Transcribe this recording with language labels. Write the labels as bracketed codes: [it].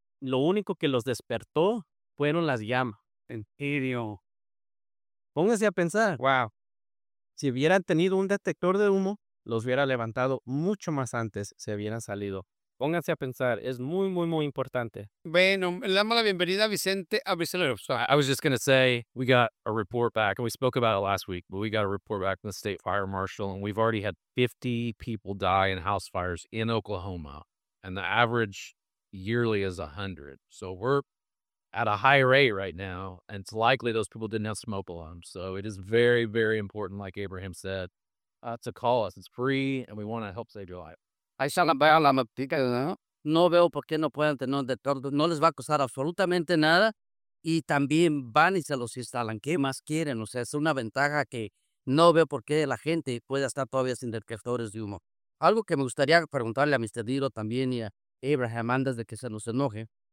[es] Lo único que los despertó fueron las llamas. En serio. Póngase a pensar. Wow. Si hubieran tenido un detector de humo, los hubiera levantado mucho más antes, se hubieran salido. Pónganse a pensar, es muy, muy, muy importante. Bueno, le damos la bienvenida a Vicente. [en] I was just going to say, we got a report back, and we spoke about it last week, but we got a report back from the state fire marshal, and we've already had 50 people die in house fires in Oklahoma, and the average yearly is 100. So we're at a high rate right now, and it's likely those people didn't have smoke alarms. So it is very, very important, like Abraham said, to call us. It's free, and we want to help save your life. [es] Ahí está la vaya la mapita, ¿no? No veo por qué no puedan tener un detector. No les va a costar absolutamente nada. Y también van y se los instalan. ¿Qué más quieren? O sea, es una ventaja que no veo por qué la gente puede estar todavía sin detectores de humo. Algo que me gustaría preguntarle a Mr. Diro también y a Abraham antes de que se nos enoje.